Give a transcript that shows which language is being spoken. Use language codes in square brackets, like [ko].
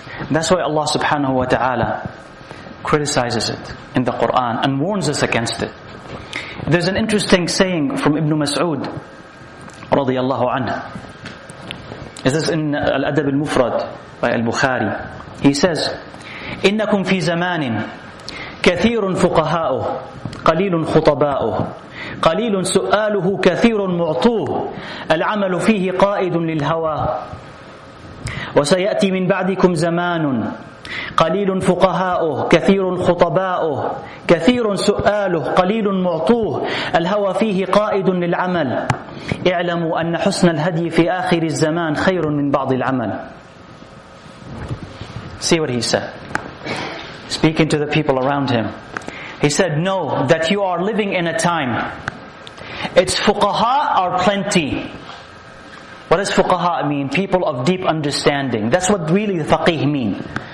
[en] That's why Allah subhanahu wa ta'ala criticizes it in the Quran and warns us against it. There's an interesting saying from Ibn Mas'ud radiyallahu anhu. This is in Al-Adab Al-Mufrad by Al-Bukhari. He says, [ar] إنكم في زمان كثير فقهاؤه قليل خطباؤه قليل سؤاله كثير معطوه العمل فيه قائد للهوى وسيأتي من بعدكم زمان قليل فقهاؤه كثير خطباؤه كثير سؤاله قليل معطوه الهوى فيه قائد للعمل اعلموا أن حسن الهدي في آخر الزمان خير من بعض العمل. [en] See what he said. Speaking to the people around him. He said, no, that you are living in a time. Its fuqaha are plenty. What does fuqaha mean? People of deep understanding. That's what really the faqih mean.